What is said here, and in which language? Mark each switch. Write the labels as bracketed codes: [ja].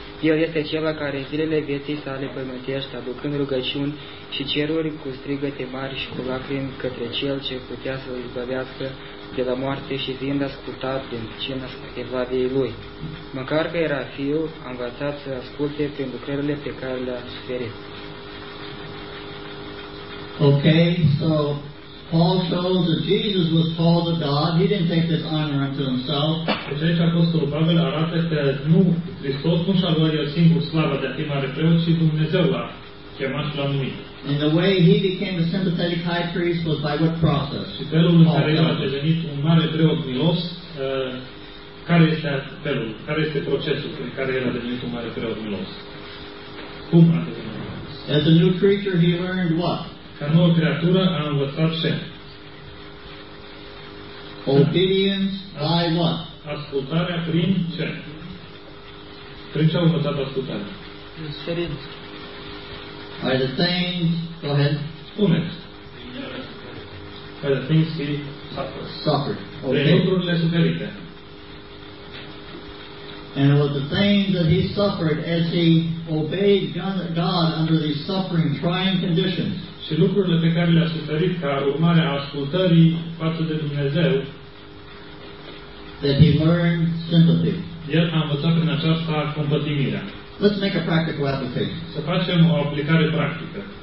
[ro] El este acela care în zilele vieții sale pământești, aducând rugăciuni și ceruri cu strigăte mari și cu lacrimi către cel ce putea să-l izbăvească de la moarte și fiind ascultat din cina evadiei lui. Măcar că era fiu, a învățat să asculte prin lucrările pe care le-a suferit. [en] Ok, so Paul shows that Jesus was called of God. He didn't take this honor unto himself. [ro] Deci aici Apostolul Pavel arată că nu Hristos nu și-a luat el singur slavă de a fi mare preot, ci Dumnezeu l-a chemat și l-a numit. [en] And the way he became a sympathetic high priest was by what process? [ro] Și felul în care el a devenit un mare preot milos, care este felul, care este procesul prin care el a devenit un mare preot milos? Cum a devenit? [en] As a new creature, he learned what? [ro] Ca nouă creatură a învățat ce? Obedience by what? Ascultarea prin ce? Prin ce a învățat ascultarea? Suferință. [en] By the things, go ahead. [ro] Spune-ți. [en] By the things he suffered. Okay. [ro] De lucrurile suferite. [en] And it was the things that he suffered as he obeyed God under these suffering, trying conditions. [ro] Și lucrurile pe care le-a suferit ca urmare a ascultării față de Dumnezeu, [en] that he learned sympathy. [ro] El a învățat prin aceasta compătimirea. [en] Let's make a practical application. [ro] Să facem o aplicare practică.